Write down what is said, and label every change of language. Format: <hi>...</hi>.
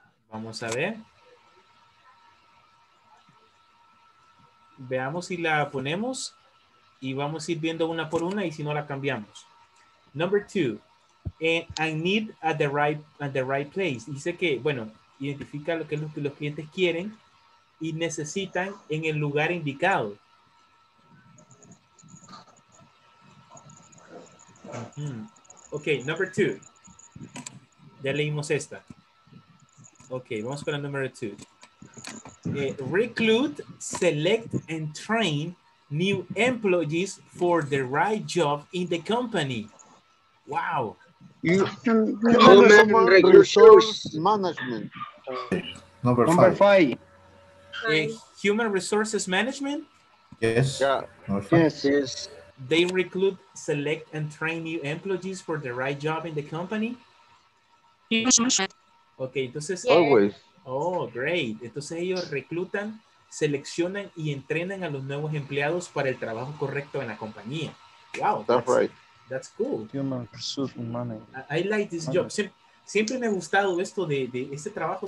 <es>Vamos a ver. Veamos si la ponemos y vamos a ir viendo una por una y si no la cambiamos.</es> <en>Number two, I need at the right place.</en> <es>Dice que, bueno, identifica lo que los clientes quieren y necesitan en el lugar indicado. Ok, number two. Ya leímos esta. Ok, vamos con la número 2.</es> <en>Recruit, select and train new employees for the right job in the company. Wow. Human resource management. Number five. Human resources management? Yes. Yeah. Yes. They recruit, select and train new employees for the right job in the company? Yes.</en> <es>Okay, entonces.</es> <en>Always. Oh, great.</en> <es>Entonces ellos reclutan, seleccionan y entrenan a los nuevos empleados para el trabajo correcto en la compañía.</es> <en>Wow. That's right. That's cool. Human resource management. I like this job.</en> <es>Siempre me ha gustado esto de este trabajo.</es>